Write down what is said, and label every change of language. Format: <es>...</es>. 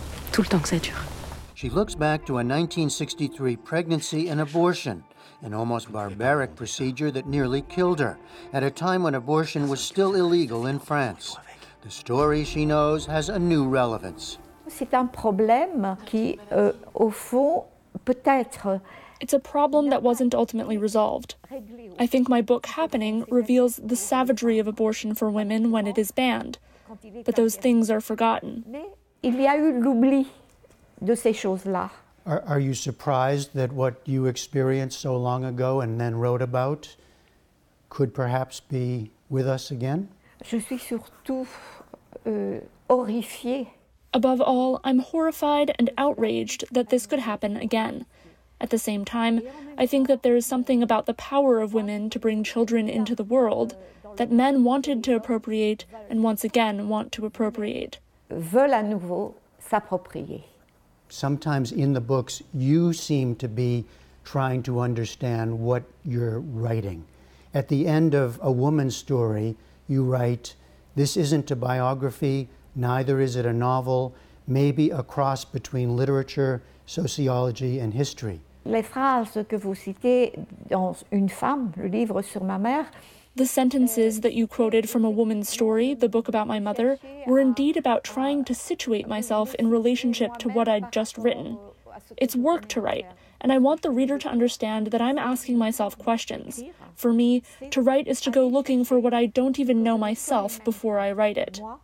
<fr>Tout le temps que ça dure.</fr> <en>She looks back to a 1963 pregnancy and abortion, an almost barbaric procedure that nearly killed her, at a time when abortion was still illegal in France. The story, she knows, has a new relevance.</en> <fr>C'est un problème qui, au fond, peut-être...</fr> <en>It's a problem that wasn't ultimately resolved. I think my book, Happening, reveals the savagery of abortion for women when it is banned. But those things are forgotten.</en> <fr>Il y a eu l'oubli de ces choses-là.</fr> <en>Are you surprised that what you experienced so long ago and then wrote about could perhaps be with us again?</en> <fr>Je suis surtout horrifiée.</fr> <en>Above all, I'm horrified and outraged that this could happen again. At the same time, I think that there is something about the power of women to bring children into the world that men wanted to appropriate and once again want to appropriate.</en> <fr>Veulent à nouveau s'approprier.</fr> <en>Sometimes in the books, you seem to be trying to understand what you're writing. At the end of A Woman's Story, you write, "This isn't a biography, neither is it a novel, maybe a cross between literature, sociology, and history."</en> <fr>Les phrases que vous citez dans Une femme, le livre sur ma mère.</fr> <en>The sentences that you quoted from A Woman's Story, the book about my mother, were indeed about trying to situate myself in relationship to what I'd just written. It's work to write, and I want the reader to understand that I'm asking myself questions. For me, to write is to go looking for what I don't even know myself before I write it.</en>